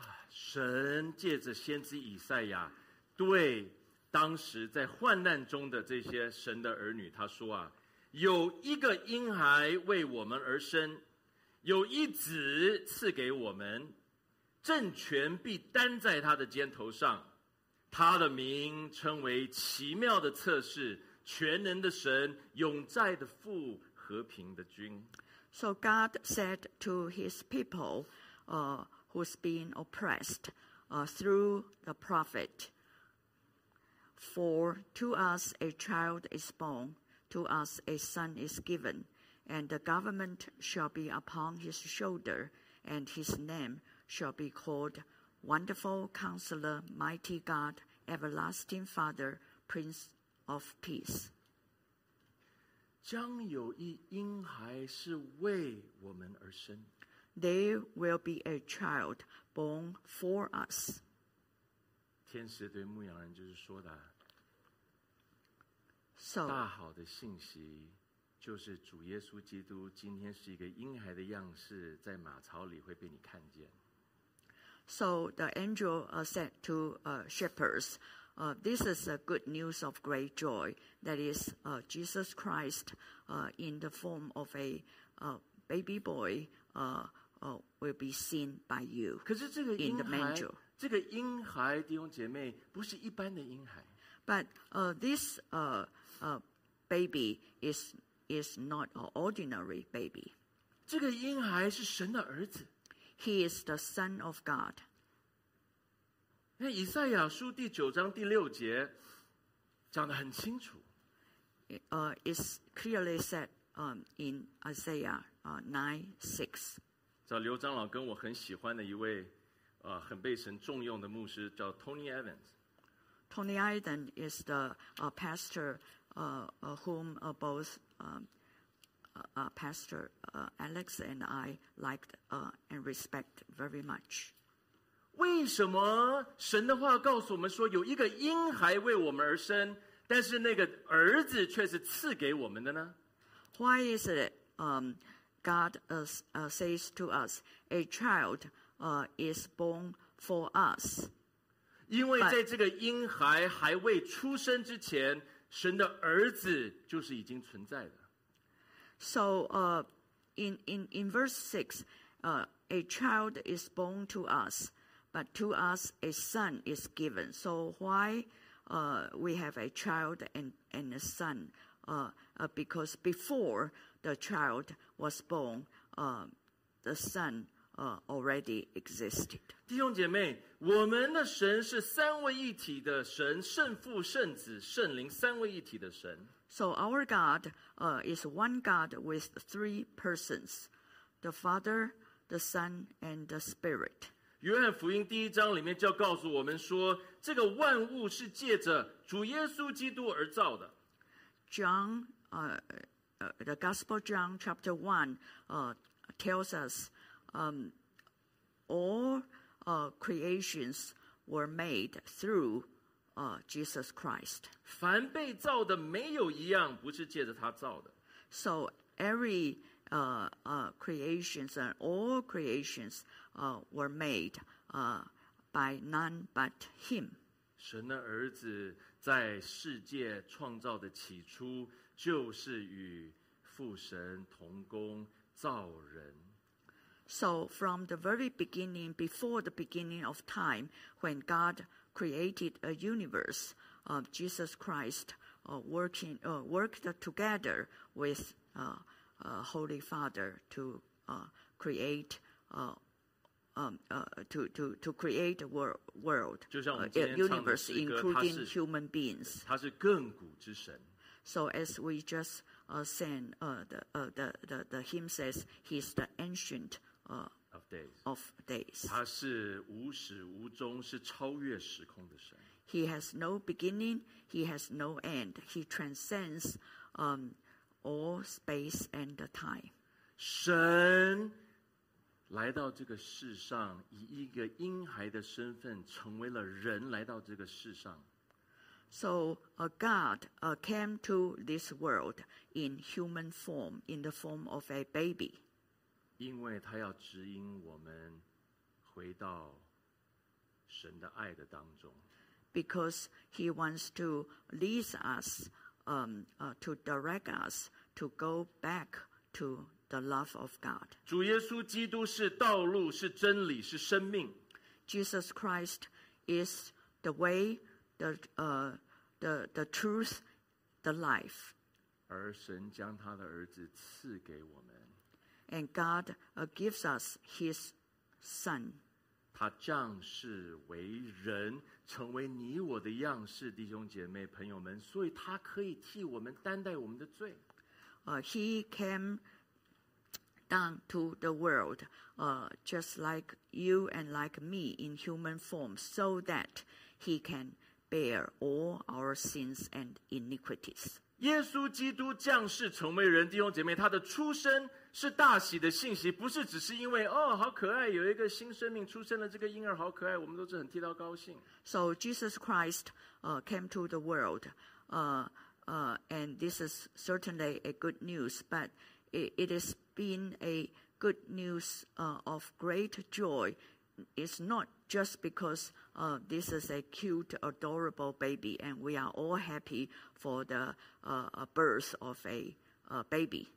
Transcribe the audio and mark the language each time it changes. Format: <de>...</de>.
<zh>神借着先知以赛亚对当时在患难中的这些神的儿女他说啊，有一个婴孩为我们而生，有一子赐给我们，政权必担在他的肩头上，他的名称为奇妙的策士，全能的神，永在的父，和平的君。</zh> <en>So God said to his people who's been oppressed through the prophetFor to us a child is born, to us a son is given, and the government shall be upon his shoulder, and his name shall be called Wonderful Counselor, Mighty God, Everlasting Father, Prince of Peace.</en> <zh>将有一婴孩是为我们而生。</zh> <en>There will be a child born for us.</en> <zh>天使对牧羊人就是说的</zh> <en>So,</en> <zh>大好的信息就是主耶稣基督今天是一个婴孩的样式在马槽里会被你看见。</zh> <en>So the angel said to shepherds, this is a good news of great joy, that is Jesus Christ in the form of a baby boy will be seen by you in the manger.</en> <zh>这个婴孩弟兄姐妹不是一般的婴孩。</zh> <en>But this baby is not an ordinary baby.</en> <zh>这个婴孩是神的儿子。</zh> <en>He is the son of God.</en> <zh>那以赛亚书第九章第六节讲得很清楚。</zh> <en>It's clearly said in Isaiah 9:6.</en> <zh>找刘长老跟我很喜欢的一位很被神重用的牧师叫 Tony Evans。</zh> <en>Tony Iden is the pastor whom both Pastor Alex and I liked and respect very much.</en> <zh>为什么神的话告诉我们说有一个婴孩为我们而生，但是那个儿子却是赐给我们的呢？</zh> <en>Why is it God says to us a child is born for us?</en> <zh>因为在这个婴孩还未出生之前，神的儿子就是已经存在的。</zh> <en>So in verse 6, a child is born to us, but to us a son is given. So why we have a child and a son? Because before the child was born, the son already existed.</en> <zh>弟兄姐妹，我们的神是三位一体的神，圣父、圣子、圣灵，三位一体的神。</zh> <en>So our God is one God with three persons, the Father, the Son, and the Spirit.</en> <zh>约翰福音第一章里面就要告诉我们说，这个万物是借着主耶稣基督而造的。</zh> <en>John, the Gospel John chapter 1 tells us all creations were made through Jesus Christ.</en> <zh>凡被造的没有一样不是借着他造的。</zh> <en>So every creations and all creations were made by none but him. 神的儿子在世界创造的起初就是与父神同工造人。 So from the very beginning, before the beginning of time, when God created a universe, Jesus Christ worked together with Holy Father to create create a world, a universe, including human beings.</en> <zh>他是亘古之神。</zh> <en>So as we just sang, the hymn says, He's the ancient of days.</en> <zh>他是无始无终，是超越时空的神。</zh> <en>He has no beginning, he has no end. He transcends all space and time.</en> <zh>神来到这个世上，以一个婴孩的身份成为了人，来到这个世上。</zh> <en>So a God came to this world in human form, in the form of a baby.</en> <zh>因为他要指引我们回到神的爱的当中。</zh> <en>Because he wants to lead us, to direct us to go back to the love of God.</en> <zh>主耶稣基督是道路，是真理，是生命。</zh> <en>Jesus Christ is the way, the truth, the life.</en> <zh>而神将他的儿子赐给我们。</zh> <en>And God gives us his son.</en> <zh>他降世为人，成为你我的样式，弟兄姐妹朋友们，所以他可以替我们担待我们的罪。</zh> <en>He came down to the world, just like you and like me in human form, so that he can bear all our sins and iniquities.</en> <zh>耶稣基督降世成为人，弟兄姐妹，他的出生是大喜的信息，不是只是因为哦，好可爱，有一个新生命出生了，这个婴儿好可爱，我们都是很替他高兴。</zh> <en>So Jesus Christ, came to the world, and this is certainly a good news, but it has been a good news of great joy. It's not just because this is a cute, adorable baby, and we are all happy for the birth of a baby.</en>